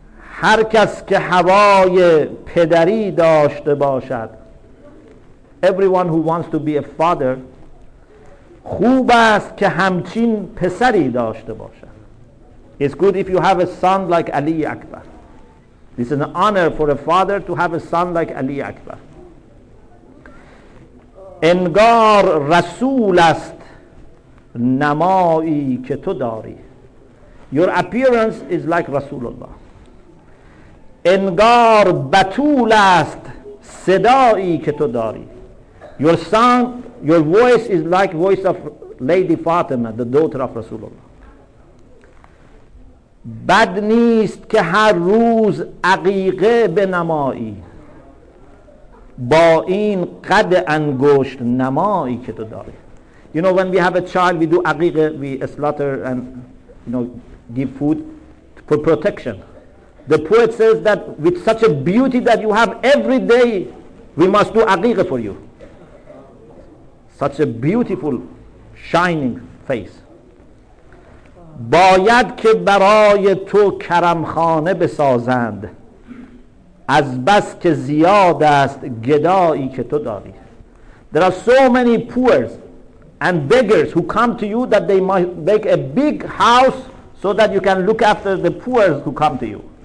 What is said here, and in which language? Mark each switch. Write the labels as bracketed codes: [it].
[fa] هر کس که هوای پدری داشته باشد. [en] Everyone who wants to be a father, [fa] خوب است که همچین پسری داشته باشد. [en] It's good if you have a son like Ali Akbar. This is an honor for a father to have a son like Ali Akbar. [fa] انگار رسول است نمایی که تو داری. [en] Your appearance is like Rasulullah. [fa] انگار بتول است صدایی که تو داری. [en] Your song, your voice is like voice of Lady Fatima, the daughter of Rasulullah. [fa] بد نیست که هر روز عقیقه بنمایی. با این قد انگشت نمایی که تو داری. [en] You know, when we have a child, we do عقیقه, we slaughter and, you know, give food for protection. The poet says that with such a beauty that you have every day, we must do aqiqah for you. Such a beautiful, shining face. [fa] باید که برای تو کرمخانه بسازند از بس که زیاد است گدایی که تو داری. [en] There are so many poor and beggars who come to you that they might make a big house so that you can look after the poor who come to you.